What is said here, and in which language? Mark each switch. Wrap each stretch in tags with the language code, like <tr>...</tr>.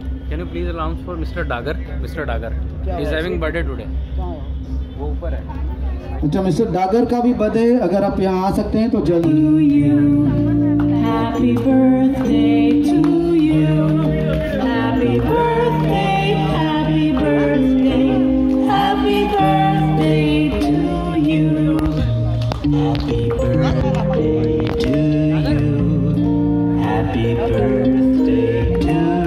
<en>Can you please announce for Mr. Dagar? Mr. Dagar, he is having birthday today.</en> <hi>वो ऊपर है। अच्छा mister Dagar का भी बर्थडे, अगर आप यहाँ आ सकते हैं तो जल्दी।</hi> <en>Happy birthday to you. Happy birthday, happy birthday, happy birthday to you. Happy birthday to you. Happy birthday to you.</en>